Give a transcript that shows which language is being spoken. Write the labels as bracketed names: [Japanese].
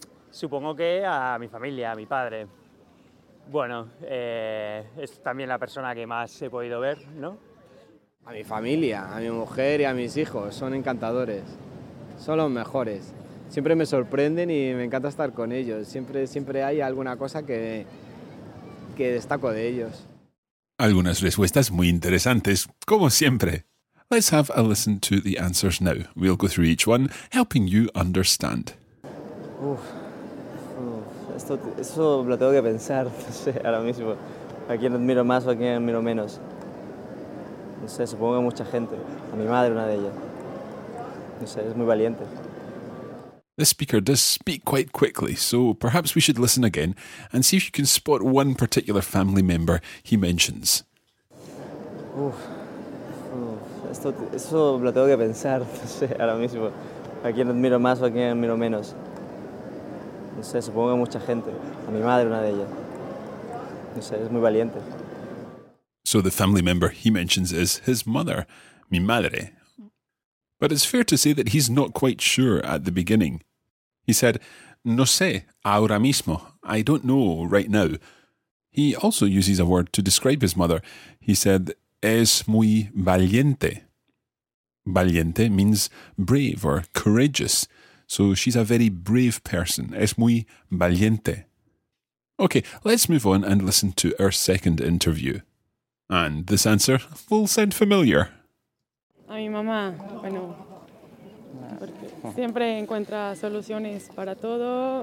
[Spanish] Supongo que a mi familia, a mi padre. Bueno, es también la persona que más he podido ver, ¿no? A mi familia, a mi mujer y a mis hijos. Son encantadores. Son los mejores. Siempre me sorprenden y me encanta estar con ellos. Siempre hay alguna cosa que destaco de ellos. Algunas respuestas muy interesantes, como siempre. [English] Let's have a listen to the answers now. We'll go through each one, helping you understand. [Spanish] Eso lo tengo que pensar, no sé, ahora mismo. ¿A quién admiro más o a quién admiro menos? No sé, supongo que mucha gente. A mi madre, una de ellas. No sé, es muy valiente. [English] This speaker does speak quite quickly, so perhaps we should listen again and see if you can spot one particular family member he mentions. [Spanish] Eso lo tengo que pensar, no sé, ahora mismo. ¿A quién admiro más o a quién admiro menos? No sé, supongo que mucha gente. A mi madre, una de ellas. No sé, es muy valiente. [English] So the family member he mentions is his mother, [Spanish] mi madre. [English] but it's fair to say that he's not quite sure at the beginning. He said, [Spanish] no sé, ahora mismo, [English] I don't know right now. He also uses a word to describe his mother. He said, [Spanish] es muy valiente. [English] Valiente means brave or courageous. So she's a very brave person. [Spanish] Es muy valiente. [English] Okay, let's move on and listen to our second interview. And this answer will sound familiar. [Spanish] A mi mamá, bueno, porque siempre encuentra soluciones para todo.